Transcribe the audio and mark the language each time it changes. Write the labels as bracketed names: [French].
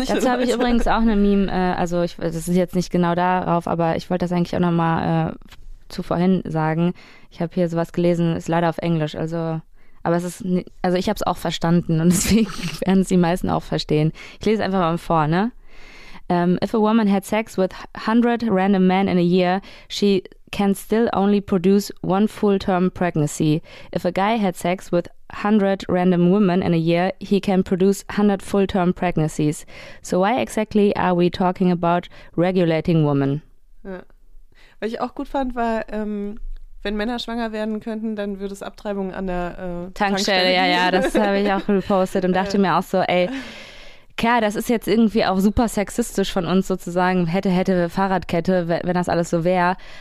[German] Leute. Dazu habe ich übrigens auch eine Meme, das ist jetzt nicht genau darauf, aber ich wollte das eigentlich auch nochmal zu vorhin sagen. Ich habe hier sowas gelesen, ist leider auf Englisch, also... Aber es ist, also ich habe es auch verstanden und deswegen werden es die meisten auch verstehen. Ich lese einfach mal vor, ne? [English] If a woman had sex with 100 random men in a year, she can still only produce one full-term pregnancy. If a guy had sex with 100 random women in a year, he can produce 100 full-term pregnancies. So why exactly are we talking about regulating women? [German] Ja. Was ich auch gut fand, war, wenn Männer schwanger werden könnten, dann würde es Abtreibungen an der Tankstelle. Ja, das habe ich auch gepostet und dachte mir auch so, ey... Klar, das ist jetzt irgendwie auch super sexistisch von uns sozusagen, hätte Fahrradkette, wenn das alles so wäre.